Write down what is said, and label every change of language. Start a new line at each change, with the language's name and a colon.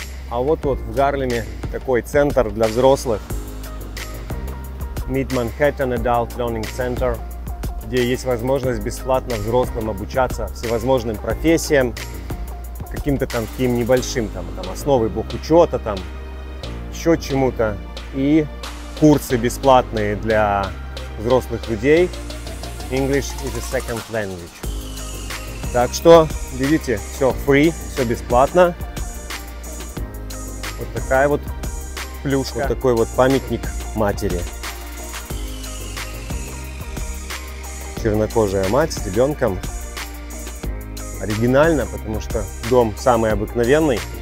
Russian: А вот тут в Гарлеме такой центр для взрослых. Mid Manhattan Adult Learning Center, где есть возможность бесплатно взрослым обучаться всевозможным профессиям, каким-то там таким небольшим, там основы бухучета, там еще чему-то. И курсы бесплатные для взрослых людей.
English: English is a second language.
Russian: Так что, видите, все free, все бесплатно. Вот такая вот плюшка. Вот такой вот памятник матери. Чернокожая мать с ребенком. Оригинально, потому что дом самый обыкновенный.